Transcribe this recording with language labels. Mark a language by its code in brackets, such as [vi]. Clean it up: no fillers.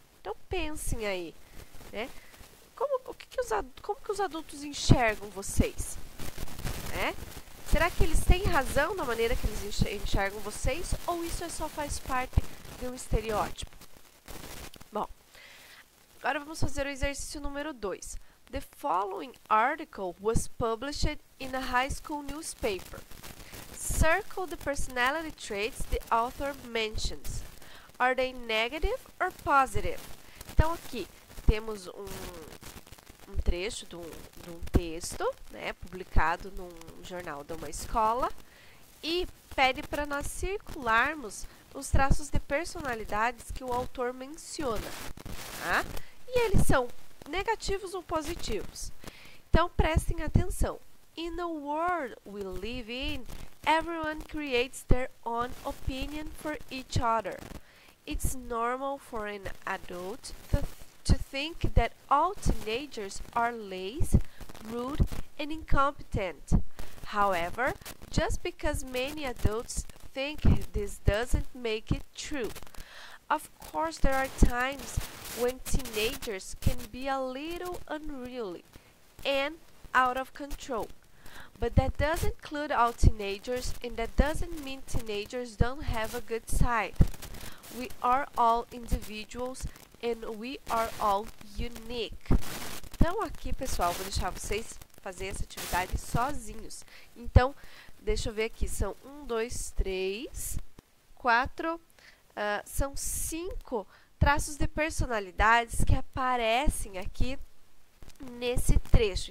[pt] Então, pensem aí, né? Como que os adultos enxergam vocês, né? Será que eles têm razão na maneira que eles enxergam vocês ou isso só faz parte de um estereótipo? Bom, agora vamos fazer o exercício número 2. [en] The following article was published in a high school newspaper. Circle the personality traits the author mentions. Are they negative or positive? [pt] Então, aqui temos um trecho de um texto, né, publicado num jornal de uma escola, e pede para nós circularmos os traços de personalidades que o autor menciona, tá? E eles são negativos ou positivos. Então, prestem atenção. [en] In the world we live in, everyone creates their own opinion for each other. It's normal for an adult to think that all teenagers are lazy, rude, and incompetent. However, just because many adults think this doesn't make it true. Of course, there are times when teenagers can be a little unruly and out of control. But that doesn't include all teenagers, and that doesn't mean teenagers don't have a good side. We are all individuals and we are all unique. [pt] Então, aqui, pessoal, vou deixar vocês fazerem essa atividade sozinhos. Então, deixa eu ver aqui. São 1, 2, 3, 4, são 5 traços de personalidades que aparecem aqui nesse trecho.